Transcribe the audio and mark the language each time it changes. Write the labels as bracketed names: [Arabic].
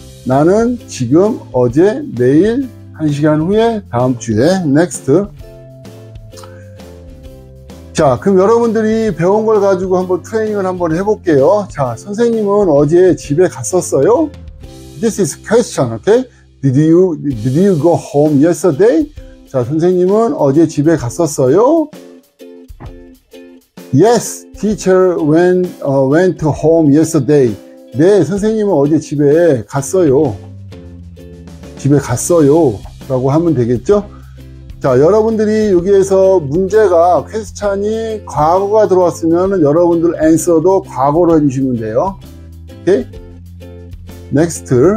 [Korean] 나는 지금 어제 내일 한 시간 후에 다음 주에 next. 자, 그럼 여러분들이 배운 걸 가지고 한번 트레이닝을 한번 해볼게요. 자, 선생님은 어제 집에 갔었어요? [English] This is question, okay? Did you go home yesterday? [Korean] 자, 선생님은 어제 집에 갔었어요? [English] Yes, teacher went home yesterday. [Korean] 네, 선생님은 어제 집에 갔어요. 집에 갔어요. 라고 하면 되겠죠? 자, 여러분들이 여기에서 문제가 퀘스천이 과거가 들어왔으면 여러분들 answer도 과거로 해주시면 돼요. [English] Okay? Next.